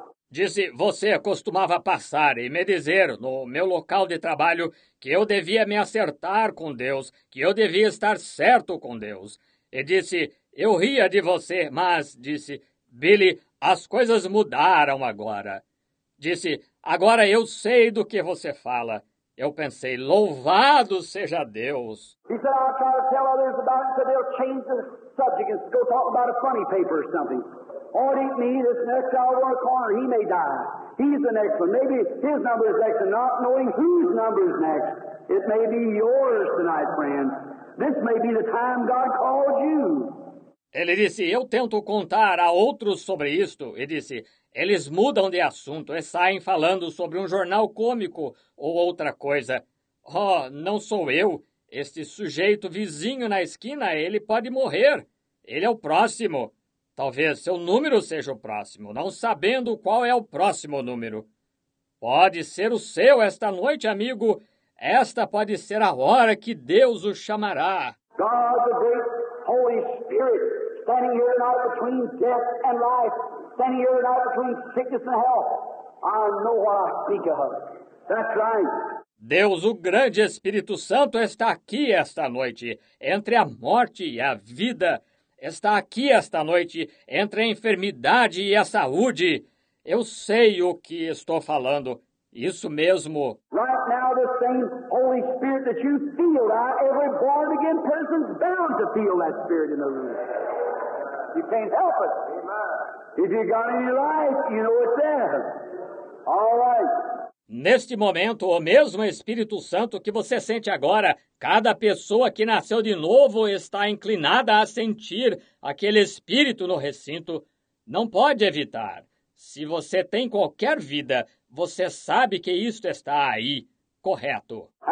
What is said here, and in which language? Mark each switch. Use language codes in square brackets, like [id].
[pt] Disse, você costumava passar e me dizer no meu local de trabalho que eu devia me acertar com Deus, que eu devia estar certo com Deus. E disse, eu ria de você, mas, disse, Billy, as coisas mudaram agora. Disse, agora eu sei do que você fala. Eu pensei, louvado seja Deus! [en] He said, I'll try to tell others about it, so they'll change the subject and go talk about a funny paper or something. Or it ain't me, this next guy over in the corner, he may die. He's the next one. Maybe his number is next, and not knowing whose number is next, it may be yours tonight, friend. This may be the time God called you. [pt] Ele disse, eu tento contar a outros sobre isto. E disse, eles mudam de assunto e saem falando sobre um jornal cômico ou outra coisa. Oh, não sou eu. Este sujeito vizinho na esquina, ele pode morrer. Ele é o próximo. Talvez seu número seja o próximo, não sabendo qual é o próximo número. Pode ser o seu esta noite, amigo. Esta pode ser a hora que Deus o chamará. [en] God, the great Holy Spirit, standing here now between death and life, standing here now between sickness and health. I know what I speak of. That's right. [pt] Deus, o grande Espírito Santo, está aqui esta noite, entre a morte e a vida. Está aqui esta noite, entre a enfermidade e a saúde. Eu sei o que estou falando. Isso mesmo. [en] Right now, the same Holy Spirit that you feel, every born-again person's bound to feel that spirit in the room. You can't help it. If you got any life, you know it's there. All right. [pt] Neste momento, o mesmo Espírito Santo que você sente agora, cada pessoa que nasceu de novo está inclinada a sentir aquele Espírito no recinto. Não pode evitar. Se você tem qualquer vida, você sabe que isto está aí, correto?